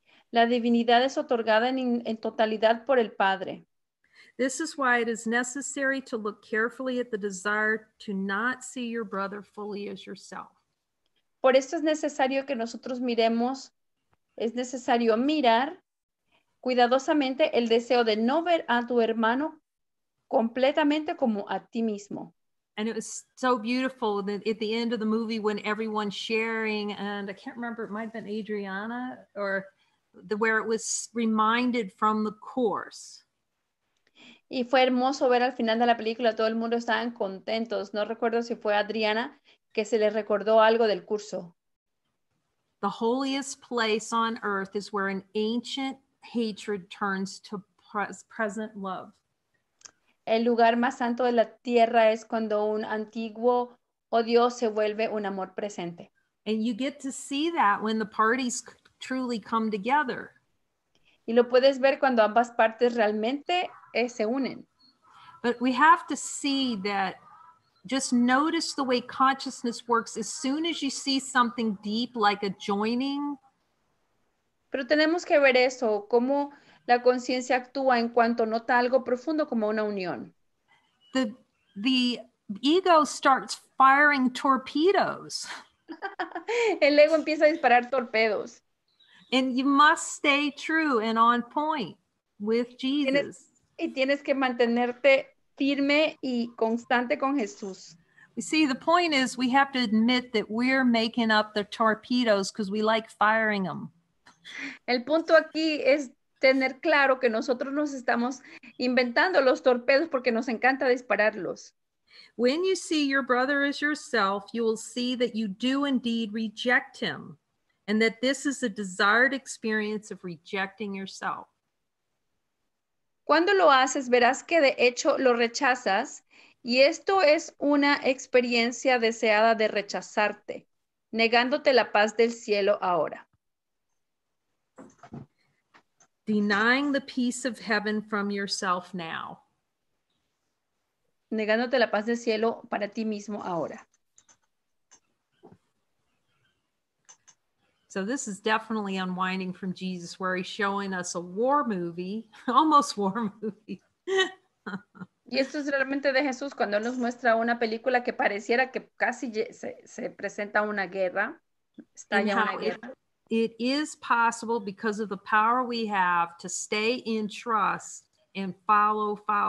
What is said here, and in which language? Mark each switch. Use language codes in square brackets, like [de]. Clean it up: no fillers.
[es] La divinidad es otorgada en totalidad por el Padre. [en] This is why it is necessary to look carefully at the desire to not see your brother fully as yourself. [es] Por esto es necesario que nosotros miremos, es necesario mirar cuidadosamente el deseo de no ver a tu hermano completamente como a ti mismo. [en] And it was so beautiful that at the end of the movie when everyone's sharing, and I can't remember, it might have been Adriana, or the where it was reminded from the course. [es] Y fue hermoso ver al final de la película, todo el mundo estaban contentos. No recuerdo si fue Adriana que se le recordó algo del curso. [en] The holiest place on earth is where an ancient hatred turns to present love. [es] El lugar más santo de la tierra es cuando un antiguo odio se vuelve un amor presente. [en] And you get to see that when the parties truly come together. [es] Y lo puedes ver cuando ambas partes realmente se unen. [en] But we have to see that, just notice the way consciousness works as soon as you see something deep like a joining. [es] Pero tenemos que ver eso, cómo la conciencia actúa en cuanto nota algo profundo como una unión. [en] The ego starts firing torpedoes. [es] El ego empieza a disparar torpedos. [en] And you must stay true and on point with Jesus. [es] Y tienes que mantenerte firme y constante con Jesús. [en] You see, the point is we have to admit that we're making up the torpedoes because we like firing them. [es] El punto aquí es tener claro que nosotros nos estamos inventando los torpedos porque nos encanta dispararlos. [en] When you see your brother as yourself, you will see that you do indeed reject him, and that this is a desired experience of rejecting yourself. [es] Cuando lo haces, verás que de hecho lo rechazas, y esto es una experiencia deseada de rechazarte, negándote la paz del cielo ahora. [en] Denying the peace of heaven from yourself now. [es] Negándote la paz del cielo para ti mismo ahora. [en] So this is definitely unwinding from Jesus, where he's showing us a war movie, almost war movie. [es] Y esto es realmente de Jesús cuando nos muestra una película que pareciera que casi se presenta una guerra, estalla una guerra. [en] It is possible because of the power we have to stay in trust and follow.